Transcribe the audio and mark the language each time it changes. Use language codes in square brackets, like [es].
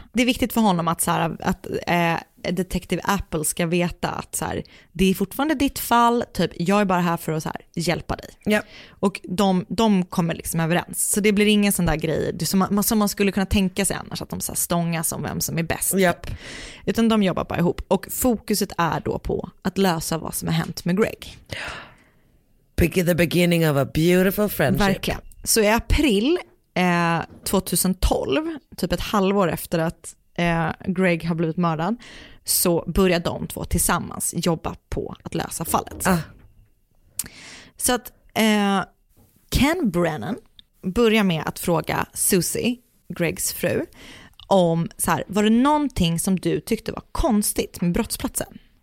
[sv] Det är viktigt för honom att så här, att detektiv Apple ska veta att så här, det är fortfarande ditt fall, typ jag är bara här för att så här, hjälpa dig. Ja. Och de kommer liksom överens. Så det blir ingen sån där grej som man skulle kunna tänka sig annars, att de så här, stångas om vem som är bäst. Ja. Typ. Utan de jobbar bara ihop. Och fokuset är då på att lösa vad som har hänt med Greg. [en] The beginning of a beautiful friendship. [sv] Verkligen. Så i april 2012, typ ett halvår efter att Greg har blivit mördad, så börjar de två tillsammans jobba på att lösa fallet. Så att Ken Brennan börjar med att fråga Susie, Gregs fru, om så här, var det någonting som du tyckte var konstigt med brottsplatsen?